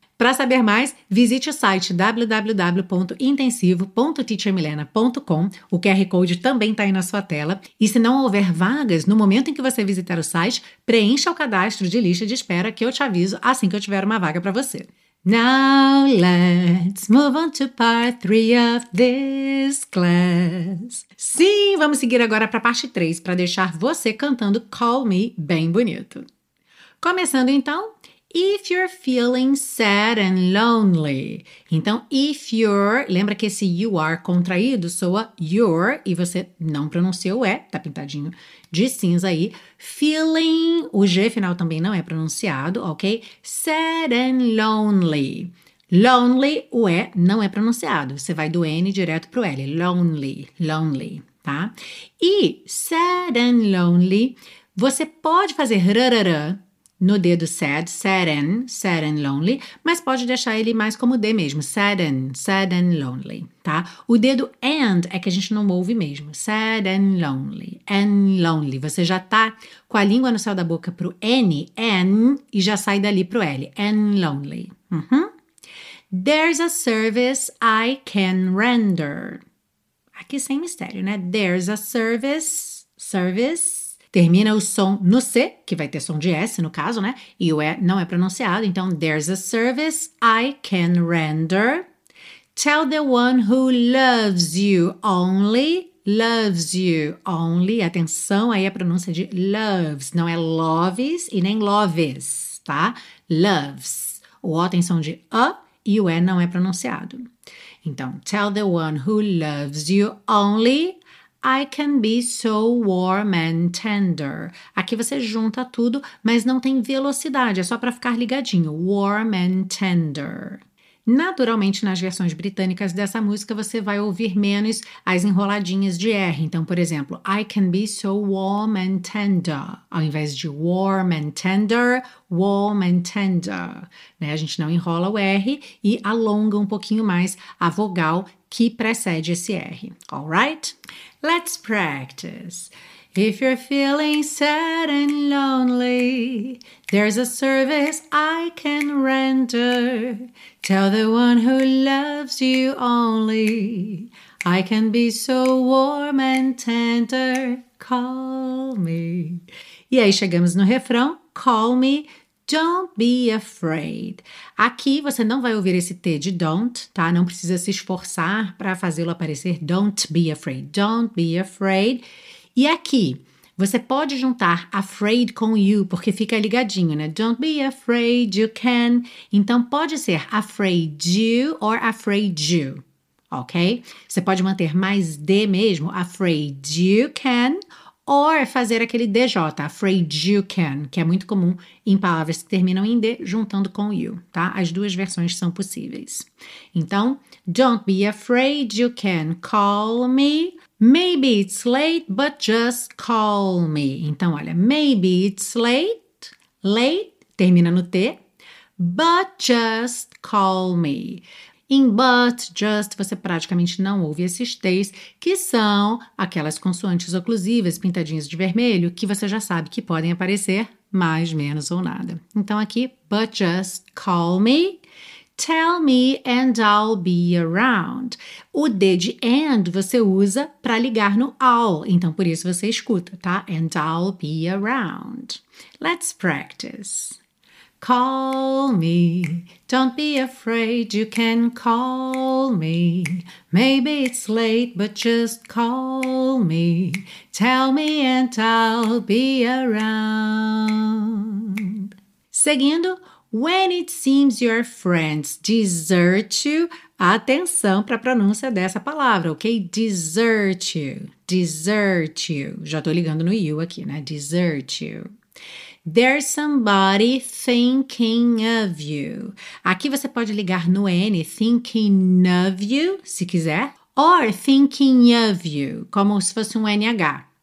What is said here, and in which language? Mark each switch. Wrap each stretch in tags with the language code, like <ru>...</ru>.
<pt>Para saber mais, visite o site www.intensivo.teachermilena.com. O QR Code também está aí na sua tela. E se não houver vagas, no momento em que você visitar o site, preencha o cadastro de lista de espera que eu te aviso assim que eu tiver uma vaga para você.</pt> <en>Now let's move on to part 3 of this class.</en> <pt>Sim, vamos seguir agora para a parte 3 para deixar você cantando Call Me bem bonito. Começando então,</pt> <en>if you're feeling sad and lonely.</en> <pt>Então,</pt> <en>if you're,</en> <pt>lembra que esse</pt> <en>you are</en> <pt>contraído soa you're e você não pronuncia o E, tá pintadinho de cinza aí. Feeling, o G final também não é pronunciado, ok? Sad and lonely. Lonely, o E não é pronunciado. Você vai do N direto pro L. Lonely, lonely, tá? E</pt> <en>sad and lonely,</en> <pt>você pode fazer rararã no dedo sad, sad and lonely, mas pode deixar ele mais como D mesmo, sad and lonely, tá? O dedo and é que a gente não ouve mesmo,</pt> <en>sad and lonely,</en> <pt>você já tá com a língua no céu da boca pro N, N, e já sai dali pro L, and lonely. Uhum.</pt> <en>There's a service I can render.</en> <pt>Aqui sem mistério, né?</pt> <en>There's a service,</en> <pt>termina o som no C, que vai ter som de S no caso, né? E o E não é pronunciado. Então,</pt> <en>there's a service I can render. Tell the one who loves you only. Loves you only.</en> <pt>Atenção aí a pronúncia de loves. Não é loves e nem loves, tá? Loves. O O tem som de A e o E não é pronunciado.</pt> <en>Então, tell the one who loves you only. I can be so warm and tender.</en> <pt>Aqui você junta tudo, mas não tem velocidade, é só para ficar ligadinho.</pt> <en>Warm and tender.</en> <pt>Naturalmente, nas versões britânicas dessa música, você vai ouvir menos as enroladinhas de R. Então, por exemplo,</pt> <en>I can be so warm and tender.</en> <pt>Ao invés de</pt> <en>warm and tender, warm and tender. Né?</en> <pt>A gente não enrola o R e alonga um pouquinho mais a vogal que precede esse R.</pt> <en>All right? Let's practice. If you're feeling sad and lonely, there's a service I can render. Tell the one who loves you only, I can be so warm and tender. Call me.</en> <pt>E aí chegamos no refrão. Call me.</pt> <en>Don't be afraid.</en> <pt>Aqui você não vai ouvir esse T de don't, tá? Não precisa se esforçar para fazê-lo aparecer.</pt> <en>Don't be afraid. Don't be afraid.</en> <pt>E aqui, você pode juntar afraid com you, porque fica ligadinho, né?</pt> <en>Don't be afraid, you can.</en> <pt>Então, pode ser</pt> <en>afraid you or afraid you, ok?</en> <pt>Você pode manter mais D mesmo,</pt> <en>afraid you can,</en> <pt>or fazer aquele DJ, afraid you can, que é muito comum em palavras que terminam em D, juntando com you, tá? As duas versões são possíveis.</pt> <en>Então, don't be afraid, you can call me. Maybe it's late, but just call me.</en> <pt>Então, olha,</pt> <en>maybe it's late,</en> <pt>termina no T,</pt> <en>but just call me.</en> <pt>Em but, just, você praticamente não ouve esses t's, que são aquelas consoantes oclusivas pintadinhas de vermelho que você já sabe que podem aparecer mais, menos ou nada. Então aqui,</pt> <en>but just call me, tell me and I'll be around.</en> <pt>O D de and você usa para ligar no I'll, então por isso você escuta, tá?</pt> <en>And I'll be around. Let's practice. Call me, don't be afraid, you can call me. Maybe it's late, but just call me. Tell me and I'll be around.</en> <pt>Seguindo,</pt> <en>when it seems your friends desert you,</en> <pt>atenção para a pronúncia dessa palavra, ok?</pt> <en>Desert you, desert you.</en> <pt>Já estou ligando no you aqui, né?</pt> <en>Desert you. There's somebody thinking of you.</en> <pt>Aqui você pode ligar no N,</pt> <en>thinking of you,</en> <pt>se quiser.</pt> <en>Or thinking of you,</en> <pt>como se fosse um NH.</pt>